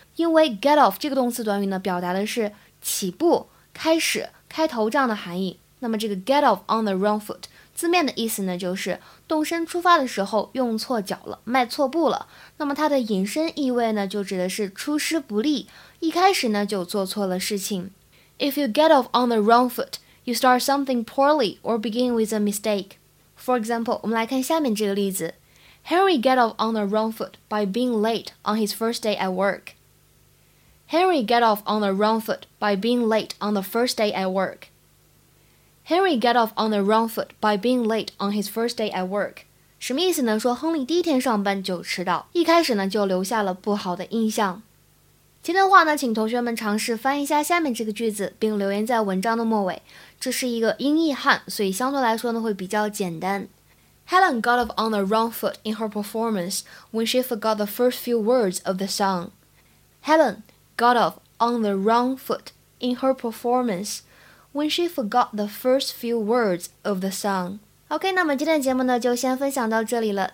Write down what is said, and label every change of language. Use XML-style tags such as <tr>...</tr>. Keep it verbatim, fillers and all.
<zh>因为 get off 这个动词短语呢，表达的是起步、开始、开头这样的含义。那么这个</zh> <en>get off on the wrong foot</en> <zh>字面的意思呢，就是动身出发的时候用错脚了，迈错步了。那么它的引申意味呢，就指的是出师不利，一开始呢就做错了事情。</zh> <en>If you get off on the wrong foot, you start something poorly or begin with a mistake. For example,</en> <zh>我们来看下面这个例子</zh> <en>Henry got off on the wrong foot by being late on his first day at work. Henry got off on the wrong foot by being late on the first day at work. Henry got off on the wrong foot by being late on his first day at work.</en> <zh>什么意思呢？说亨利第一天上班就迟到，一开始呢就留下了不好的印象。今天的话呢，请同学们尝试翻译一下下面这个句子，并留言在文章的末尾。这是一个音译汉，所以相对来说呢会比较简单。</zh> <en>Helen got off on the wrong foot in her performance when she forgot the first few words of the song. Helen got off on the wrong foot in her performance when she forgot the first few words of the song.</en> <zh>OK, 那么今天的节目呢就先分享到这里了。</zh>